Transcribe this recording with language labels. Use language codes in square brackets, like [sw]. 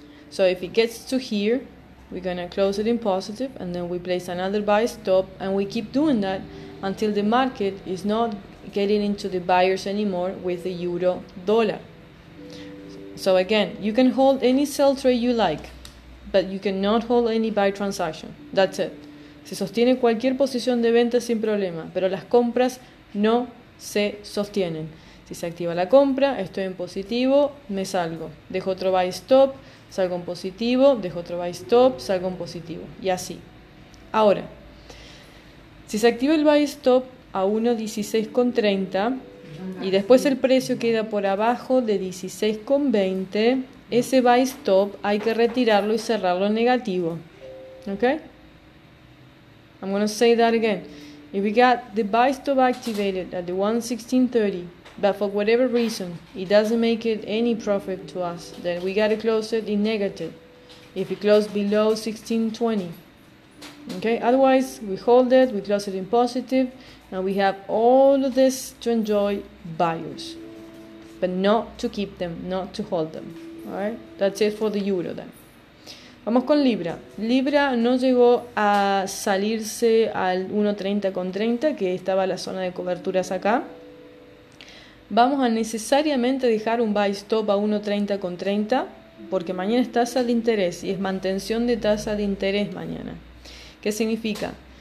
[en] So if it gets to here, we're gonna close it in positive and then we place another buy stop and we keep doing that until the market is not getting into the buyers anymore with the euro dollar. So again, you can hold any sell trade you like, but you cannot hold any buy transaction. That's it. [es] Se sostiene cualquier posición de venta sin problema, pero las compras no se sostienen. Si se activa la compra, estoy en positivo, me salgo. Dejo otro buy stop, salgo en positivo, dejo otro buy stop, salgo en positivo. Y así. Ahora, si se activa el buy stop a 1.16.30 y después el precio queda por abajo de 16.20, ese buy stop hay que retirarlo y cerrarlo en negativo. [en] ¿Ok? I'm going to say that again. If we got the buy stop activated at the 1.16.30, but for whatever reason, it doesn't make it any profit to us, then we gotta close it in negative. If it closed below 1620. Okay, otherwise we hold it, we close it in positive, and we have all of this to enjoy buyers, but not to keep them, not to hold them. Alright, that's it for the euro then. [es] Vamos con Libra. Libra no llegó a salirse al 1.30 con 30, que estaba la zona de coberturas acá. Vamos a necesariamente dejar un buy stop a 1.30 con 30 porque mañana es tasa de interés y es mantención de tasa de interés mañana. ¿Qué significa?